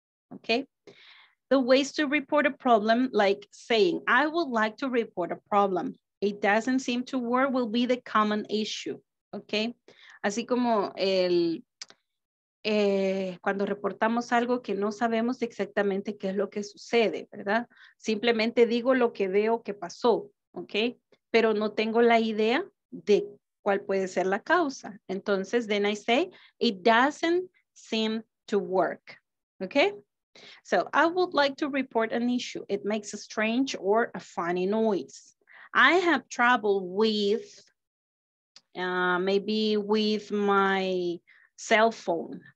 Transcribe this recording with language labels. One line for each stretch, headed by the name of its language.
English: Okay, the ways to report a problem, like saying, I would like to report a problem. It doesn't seem to work will be the common issue.
Spanish: Okay, así como el... cuando reportamos algo que no sabemos exactamente qué es lo que sucede, ¿verdad? Simplemente digo lo que veo que pasó, ¿ok? Pero no tengo la idea de cuál puede ser la causa. Entonces,
English: then I say, it doesn't seem to work, ¿ok? So, I would like to report an issue. It makes a strange or a funny noise. I have trouble with, maybe with my... cell phone.